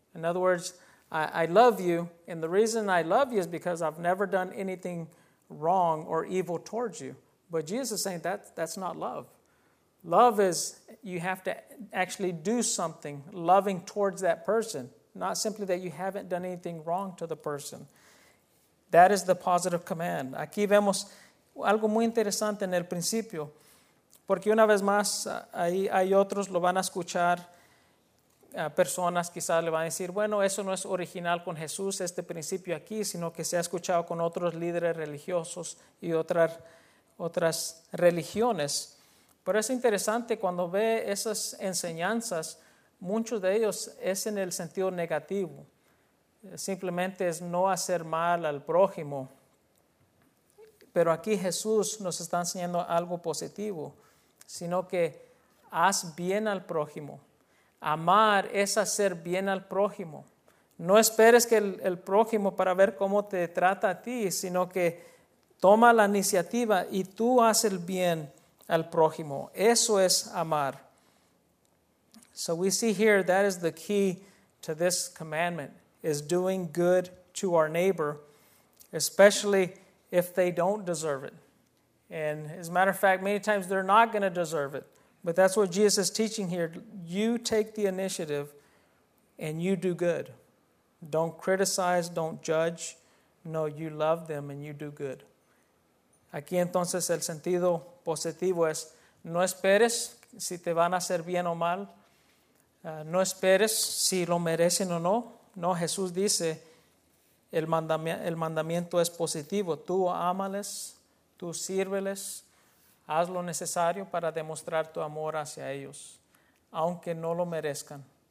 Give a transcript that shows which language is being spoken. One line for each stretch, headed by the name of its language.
English: In other words, I love you, and the reason I love you is because I've never done anything wrong or evil towards you. But Jesus is saying that's not love. Love is, you have to actually do something loving towards that person, not simply that you haven't done anything wrong to the person. That is the positive command.
Spanish: Aquí vemos algo muy interesante en el principio, porque una vez más, ahí hay otros, lo van a escuchar, personas quizás le van a decir, bueno, eso no es original con Jesús, este principio aquí, sino que se ha escuchado con otros líderes religiosos y otras religiones. Pero es interesante cuando ve esas enseñanzas, muchos de ellos es en el sentido negativo. Simplemente es no hacer mal al prójimo. Pero aquí Jesús nos está enseñando algo positivo, sino que haz bien al prójimo. Amar es hacer bien al prójimo. No esperes que el prójimo para ver cómo te trata a ti, sino que toma la iniciativa y tú haz el bien al prójimo. Eso es amar.
English: So we see here that is the key to this commandment, is doing good to our neighbor, especially if they don't deserve it. And as a matter of fact, many times they're not going to deserve it. But that's what Jesus is teaching here. You take the initiative and you do good. Don't criticize, don't judge. No, you love them and you do good.
Spanish: Aquí entonces el sentido positivo es, no esperes si te van a hacer bien o mal. No esperes si lo merecen o no. No, Jesús dice, el mandamiento es positivo. Tú ámales, tú sírveles. Haz lo necesario para demostrar tu amor hacia ellos, aunque no lo merezcan.